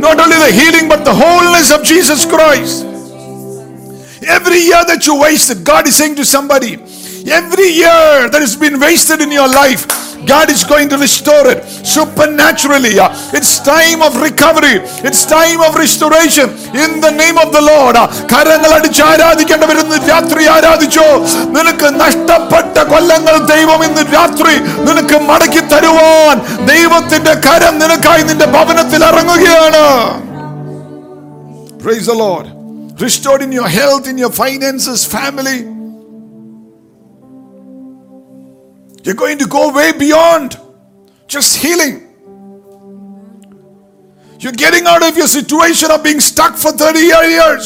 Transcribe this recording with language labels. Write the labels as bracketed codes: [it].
[en] Not only the healing, but the wholeness of Jesus Christ. Every year that you wasted, God is saying to somebody, every year that has been wasted in your life, God is going to restore it supernaturally. It's time of recovery. It's time of restoration in the name of the Lord. [ml] കരങ്ങളടിച്ച് ആരാധിക്കേണ്ടവർ ഇന്ന് രാത്രി ആരാധിച്ചോ. നിനക്ക് നഷ്ടപ്പെട്ട കൊല്ലങ്ങൾ ദൈവം ഇന്ന് രാത്രി നിനക്ക് മടക്കി തരുവാൻ ദൈവത്തിന്റെ കരം നിനക്കായി നിന്റെ ഭവനത്തിൽ ഇറങ്ങുകയാണ്. [en] Praise the Lord. Restored in your health, in your finances, family. You're going to go way beyond just healing. You're getting out of your situation of being stuck for 30 years.